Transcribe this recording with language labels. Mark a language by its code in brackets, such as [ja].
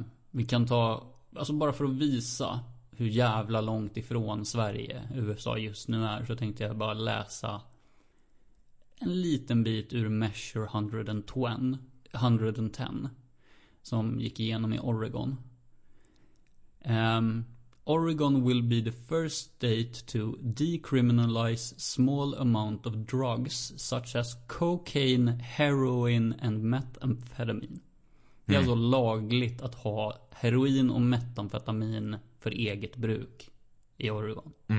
[sv] Vi kan ta, alltså bara för att visa hur jävla långt ifrån Sverige USA just nu är, så tänkte jag bara läsa en liten bit ur Measure 110 som gick igenom i Oregon. [en] Oregon will be the first state to decriminalize small amount of drugs such as cocaine, heroin and methamphetamine. [sv] Det är alltså lagligt att ha heroin och metamfetamin för eget bruk i Oregon.